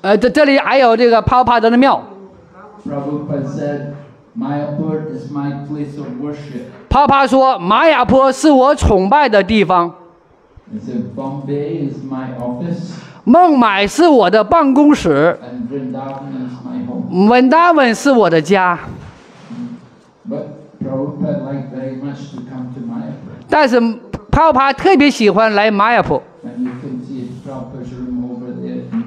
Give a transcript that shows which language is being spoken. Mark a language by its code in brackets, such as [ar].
[zh] 这里还有这个帕帕德的庙。 [en] Prabhupada said, Mayapur is my place of worship. [zh] Papa 说，玛雅坡是我崇拜的地方。 [en] He said, Bombay is my office. [zh] 孟买是我的办公室。 [en] And Vrindavan is my home. [zh] Vrindavan 是我的家。 [en] But Prabhupada liked very much to come to Mayapur. [zh] 但是Papa特别喜欢来玛雅坡。 [en] And you can see Prabhupada's room over there.